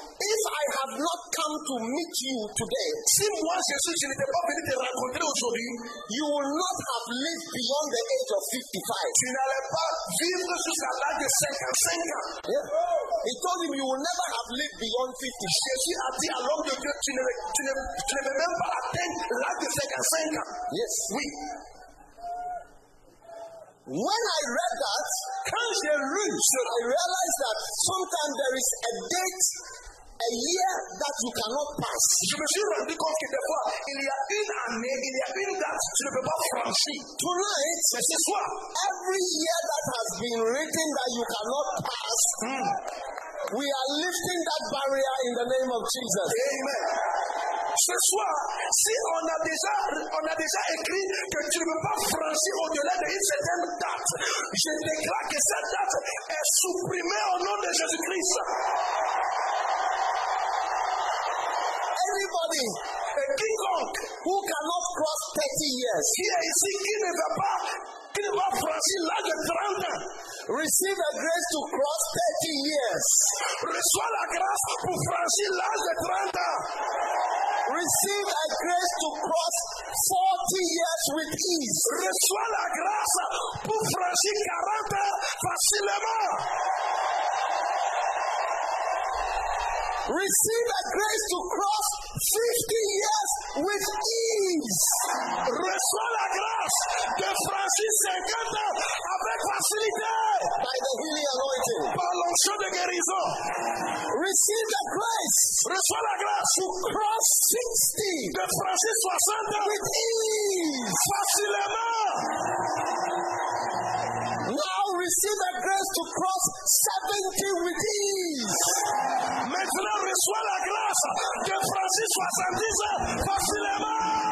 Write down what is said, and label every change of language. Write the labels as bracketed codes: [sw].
[en] if I have not come to meet you today, [fr] si moi, Jésus, je n'étais pas venu te rencontrer aujourd'hui, [en] you will not have lived beyond the age of 55. [fr] Tu n'allais pas vivre jusqu'à l'âge de 55 ans. [en] Yeah. He told him, you will never have lived beyond 50. [fr] Jésus a dit à l'homme de Dieu, tu ne vas même pas atteindre l'âge de 55 ans. [en] Yes. [fr] Oui. [en] When I read that, I realized that sometimes there is a date, a year that you cannot pass. [fr] Je me suis rendu compte que des fois, il y a une année, il y a une date que tu ne peux pas franchir. [en] Tonight, [fr] mais ce soir, [en] every year that has been written that you cannot pass, we are lifting that barrier in the name of Jesus. Amen. [fr] Ce soir, si on a déjà écrit que tu ne veux pas franchir au-delà d'une certaine date, je déclare que cette date est supprimée au nom de Jésus-Christ. [en] Everybody, [fr] et quiconque [en] who cannot cross 30 years, [fr] qui est ici, qui ne va pas franchir l'âge de 30 ans, [en] receive a grace to cross 30 years. [fr] Reçois la grâce pour franchir l'âge de 30 ans. [en] Receive a grace to cross 40 years with ease. [fr] Reçois la grâce pour franchir 40 ans facilement. [en] Receive a grace to cross 50 years with ease. [fr] Reçois la grâce de franchir 50 ans avec facilité. [en] By the healing anointing. [fr] Par l'onction de guérison. [en] Receive the grace. [fr] Reçois la grâce [en] to cross 60. [fr] De franchir 60 ans [en] with ease. [fr] Facilement. [en] Now receive a grace to cross 70 with ease. [fr] Maintenant reçois la grâce de franchir 70 ans facilement.